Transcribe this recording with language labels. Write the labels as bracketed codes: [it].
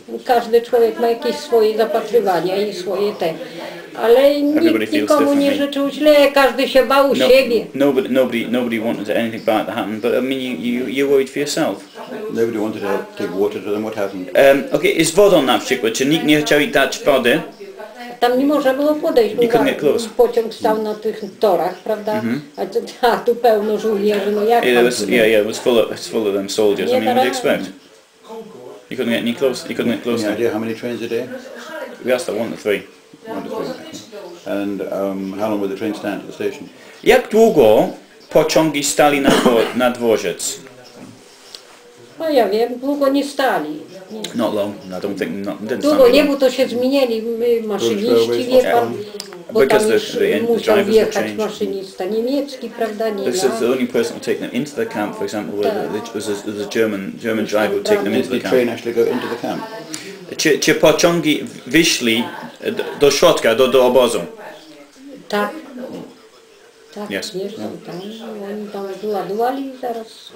[pl] Każdy człowiek ma jakieś swoje zapatrywania i swoje te. Ale nikt nikomu nie życzył źle, każdy się bał siebie. [en] Nobody wanted anything bad to happen, but I mean you worried for yourself. Nobody wanted to take water to them, what happened? [pl] Z wodą na przykład, czy nikt nie chciał ich dać wody? Tam nie można było podejść, bo pociąg stał na tych torach, prawda? Mm-hmm. A tu pełno żołnierzy, no jak tam? [en] Yeah, it was full of them soldiers, what do you expect? You couldn't get any close, you couldn't get close. Any idea how many trains a day? We asked that, 1 to 3. And how long were the trains stand at the station? [pl] Jak długo pociągi stali na dworzec? No ja wiem, długo nie stali. [en] Not long, I don't think, not, didn't [pl] długo nie, bo to się zmienili maszyniści, wie pan, bo tam musiał wjechać maszynista niemiecki, prawda, nie miał. [en] This is the only person who take them into the camp, for example, where the German driver would take them into the camp. Did the train actually go into the camp? [pl] Czy pociągi wyszli do środka, do obozu? Tak. Tak, yes. Wiesz, tam, oni tam wyładowali i zaraz...